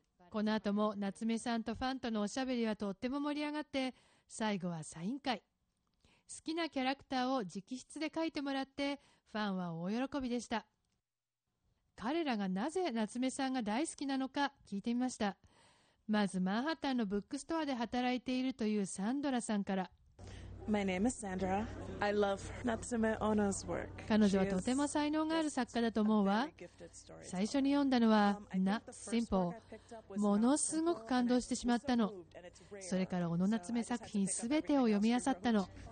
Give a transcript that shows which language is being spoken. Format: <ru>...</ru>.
<ja>この後も夏目さんとファンとのおしゃべりはとっても盛り上がって、最後はサイン会、好きなキャラクターを直筆で書いてもらってファンは大喜びでした。彼らがなぜ夏目さんが大好きなのか聞いてみました。まずマンハッタンのブックストアで働いているというサンドラさんから。</ja> <en>My name is Sandra. I love Natsume Ono's work.</en> <ja>彼女はとても才能がある作家だと思うわ。最初に読んだのは Not Simple。ものすごく感動してしまったの。それから小野夏目作品すべてを読み漁ったの。</ja>